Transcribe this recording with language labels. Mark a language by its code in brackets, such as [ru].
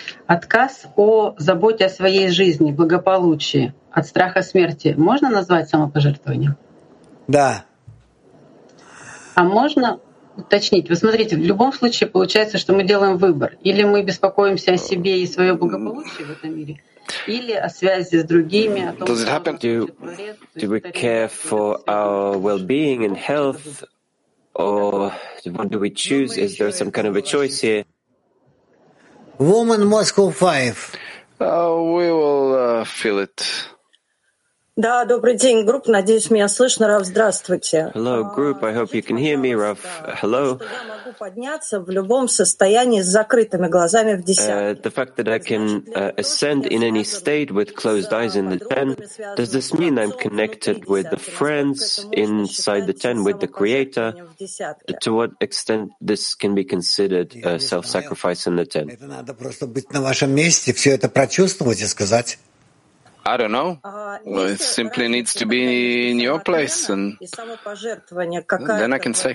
[ru] Отказ о заботе о своей жизни, благополучии, от страха смерти можно назвать самопожертвованием? Да. А можно уточнить? Вы смотрите, в любом случае получается, что мы делаем выбор. Или мы беспокоимся о себе и своем благополучии в этом мире, или о связи с другими, о том, [en] does it happen? Do we care for our well-being and health, or what do we choose? Is there some kind of a choice here? Woman Moscow 5. We will feel it. [ru] Да, добрый день, групп. Надеюсь, меня слышно. Рав, здравствуйте. [en] Hello, group. I hope you can hear me, Rav. Hello. [ru] Подняться в любом состоянии с закрытыми глазами в десятке. [en] The fact that I can ascend in any state with closed eyes in the ten, does this mean I'm connected with the friends inside the ten with the Creator? To what extent this can be considered a self-sacrifice in the ten? [ru] Это надо просто быть на вашем месте, все это прочувствовать и сказать. [en] I don't know. Well, it simply needs to be in your place, and then I can say.